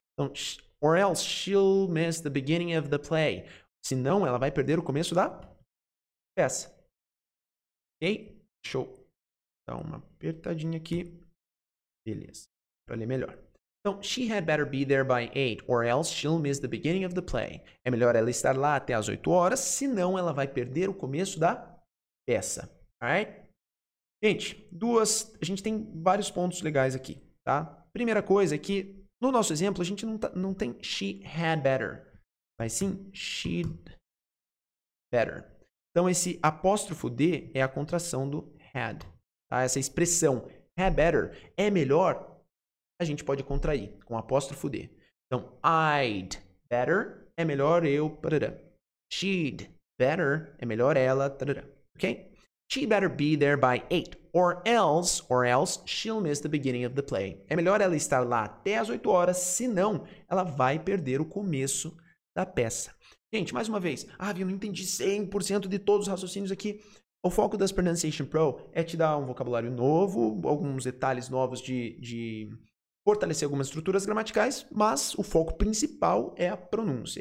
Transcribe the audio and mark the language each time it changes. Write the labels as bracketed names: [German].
[English] Então, or else she'll miss the beginning of the play. [Portuguese] Se não, ela vai perder o começo da peça. Ok? Show. Dá uma apertadinha aqui. Beleza. Pra ler melhor. [English] Então, she had better be there by 8, or else she'll miss the beginning of the play. [Portuguese] É melhor ela estar lá até as 8 horas, senão ela vai perder o começo da peça. Alright? Gente, a gente tem vários pontos legais aqui, tá? Primeira coisa é que, no nosso exemplo, a gente não tem she had better, mas sim she'd better. Então, esse apóstrofo D é a contração do had, tá? Essa expressão had better é melhor. A gente pode contrair com apóstrofo D. Então, I'd better é melhor eu, tarará. She'd better é melhor ela, tarará. Ok? [English] She better be there by 8, or else she'll miss the beginning of the play. [Portuguese] É melhor ela estar lá até as 8 horas, senão ela vai perder o começo da peça. Gente, mais uma vez, eu não entendi 100% de todos os raciocínios aqui. O foco das Pronunciation Pro é te dar um vocabulário novo, alguns detalhes novos de fortalecer algumas estruturas gramaticais, mas o foco principal é a pronúncia.